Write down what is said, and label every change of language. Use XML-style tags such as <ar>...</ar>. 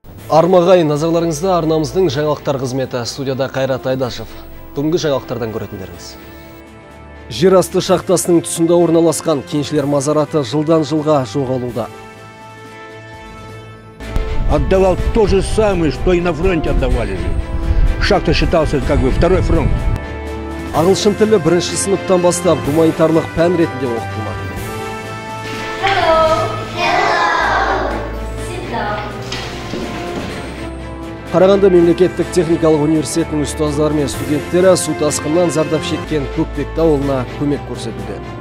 <kk>Армағай, назарларыңызды арнамыздың жаңалықтар қызметі студияда Қайрат Айдашев. Бүгінгі жаңалықтардан көретіндеріңіз. Жерасты шахтасының тұсында орналасқан кеншілер мазараты жылдан жылға жоғалуда.</kk> <ru>Отдавал то же самое, что и на фронте отдавали. Шахта считался как бы второй фронт.</ru> <kk>Ағылшын тілі бірінші сыныптан бастап гуманитарлық пән ретінде оқытылды. Қарағанды мемлекеттік техникалық университетінің ұстаздары мен студенттері су тасқынынан зардап шеккен Көкпекті ауылына көмек көрсетуде.</kk>